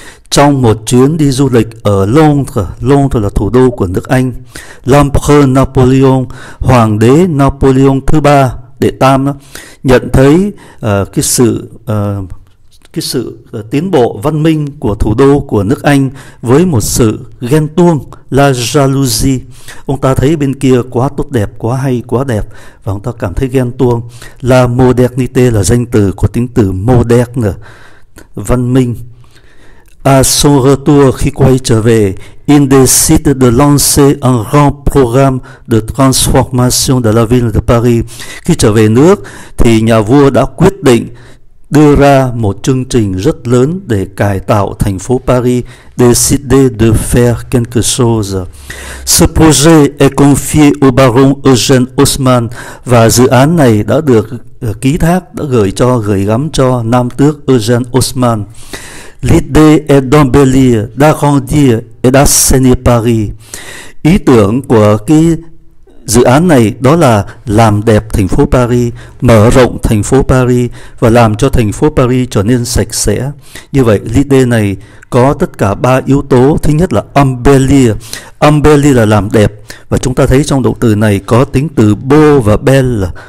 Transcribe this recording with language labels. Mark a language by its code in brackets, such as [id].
[vi] Trong một chuyến đi du lịch ở Londres, Londres là thủ đô của nước Anh, L'Empereur Napoléon, Hoàng đế Napoléon thứ ba, đệ tam, nhận thấy cái sự tiến bộ văn minh của thủ đô của nước Anh với một sự ghen tuông, la jalousie. Ông ta thấy bên kia quá tốt đẹp, quá hay, quá đẹp, và ông ta cảm thấy ghen tuông. La modernité là danh từ của tính từ moderne, văn minh. [fr] À son retour, [vi] khi quay trở về, [fr] il décide de lancer un grand programme de transformation de la ville de Paris. [vi] Khi trở về nước, thì nhà vua đã quyết định đưa ra một chương trình rất lớn để cải tạo thành phố Paris. [fr] Décide de faire quelque chose. Ce projet est confié au baron Eugène Haussmann. [vi] Và dự án này đã được ký thác, đã gửi gắm cho Nam Tước Eugène Haussmann. [fr] L'idée est d'embellir, d'agrandir et d'assainir Paris. [vi] Ý tưởng của cái dự án này đó là làm đẹp thành phố Paris, mở rộng thành phố Paris và làm cho thành phố Paris trở nên sạch sẽ. Như vậy, l'idée này có tất cả ba yếu tố. Thứ nhất là embellir. Embellir là làm đẹp, và chúng ta thấy trong động từ này có tính từ beau và belle.